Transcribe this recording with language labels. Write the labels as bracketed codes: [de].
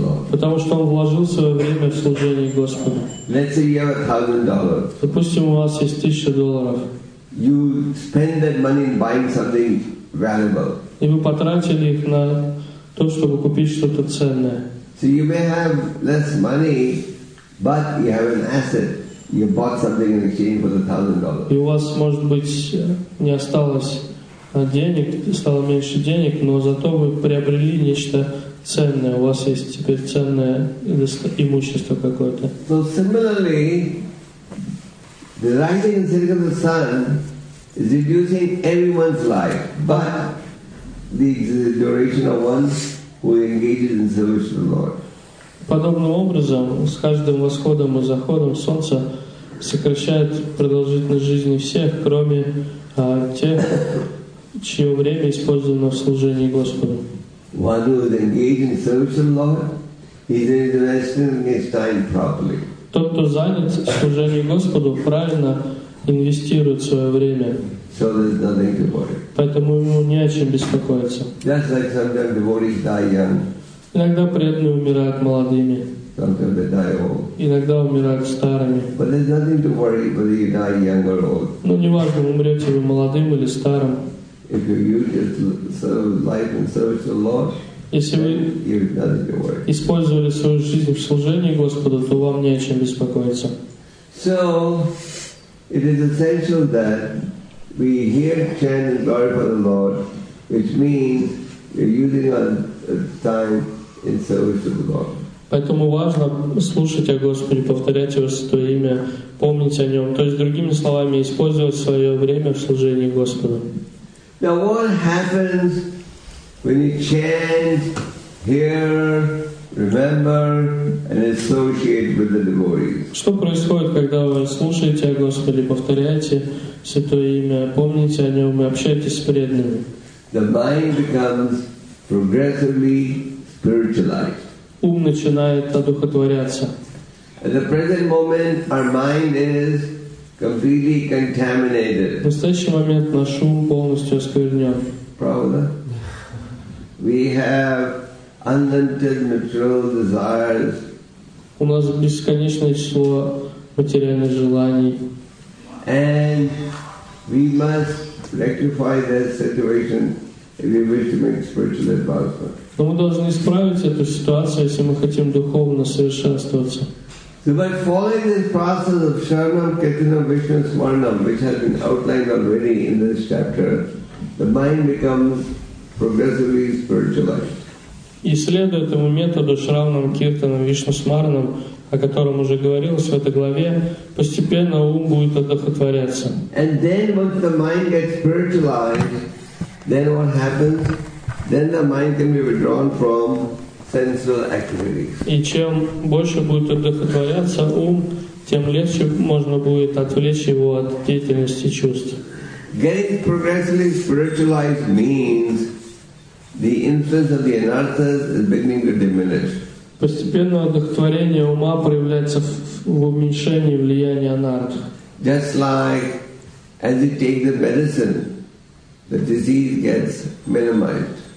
[ru] Потому что он вложил свое время в служение Господу. Допустим, у вас есть $1,000. [en] You spend that money in buying something valuable. [ru] И вы потратили их на то, чтобы купить что-то ценное. [en] So you may have less money, but you have an asset. You bought something in exchange for $1,000. [ru] И у вас, может быть, не осталось денег, стало меньше денег, но зато вы приобрели нечто ценное. У вас есть теперь ценное имущество какое-то. [en] So similarly, the rising and setting of the sun is reducing everyone's life, but the duration of one who engages in service to the Lord. [ru] Подобным образом, с каждым восходом и заходом солнца сокращает продолжительность жизни всех, кроме тех, чье время использовано в служении Господу. Тот, кто занят в служении Господу, правильно инвестирует свое время. [en] So there's nothing to worry. [ru] Поэтому ему не о чем беспокоиться. [en] Just like sometimes devotees die young. [ru] Иногда преданные умирают молодыми. [en] Sometimes they die old. [ru] Иногда умирают старыми. [en] But there's nothing to worry whether you die young or old. [ru] Но неважно, умрете вы молодым или старым. [en] If you use your life and service the Lord, [ru] если вы использовали свою жизнь в служении Господу, то вам не о чем беспокоиться. [en] So, it is essential that we hear, chant, and glorify the Lord, which means we're using our time in service to the Lord. [ru] Поэтому важно слушать о Господе, повторять Его Святое Имя, помнить о Нем. То есть, другими словами, использовать свое время в служении Господу. [en] Now, what happens when you chant, hear, remember, and associate with the devotees? [ru] Что происходит, когда вы слушаете о Господе, повторяете Святое Имя, помните о Нем и общаетесь с преданными? [en] The mind becomes progressively spiritualized. [ru] Ум начинает одухотворяться. [en] At the present moment, our mind is completely contaminated. [ru] В настоящий момент наш ум полностью осквернен. Правда? [en] We have unlimited material desires. [ru] У нас бесконечное число материальных желаний. [en] And we must rectify that situation if we wish to make spiritual advancement. [ru] Но мы должны исправить эту ситуацию, если мы хотим духовно совершенствоваться. [en] So by following this process of sharanam, kirtanam, vishnam, smaranam, which has been outlined already in this chapter, the mind becomes progressively spiritualized. [ru] И следуя этому методу шравнам, киртанам, вишну, смаранам, о котором уже говорилось в этой главе, постепенно ум будет одухотворяться. [en] And then once the mind gets spiritualized, then what happens? Then the mind can be withdrawn from sensual activities. [ru] И чем больше будет одухотворяться ум, тем легче можно будет отвлечь его от деятельности чувств. [en] Getting progressively spiritualized means the influence of the anarthas is beginning to diminish. [ru] Постепенно одухотворение ума проявляется в уменьшении влияния анарт. [en] Just like as you take the medicine, the disease gets minimized.